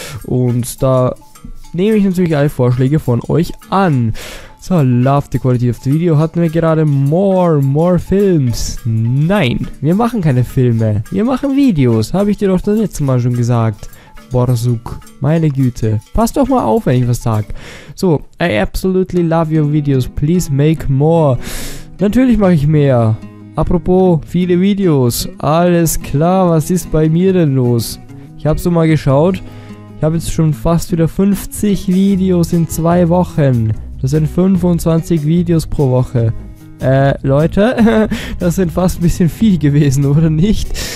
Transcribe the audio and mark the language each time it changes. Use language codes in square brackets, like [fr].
[de] Und da nehme ich natürlich alle Vorschläge von euch an. So, [en] love the quality of the video. [de] Hatten wir gerade more Films? Nein, wir machen keine Filme. Wir machen Videos. Habe ich dir doch das letzte Mal schon gesagt. Borsuk, meine Güte. Pass doch mal auf, wenn ich was sag. [en] So, I absolutely love your videos. Please make more. [de] Natürlich mache ich mehr. Apropos viele Videos. Alles klar, was ist bei mir denn los? Ich habe so mal geschaut. Ich habe jetzt schon fast wieder 50 Videos in 2 Wochen. Das sind 25 Videos pro Woche. Leute, das sind fast ein bisschen viel gewesen, oder nicht?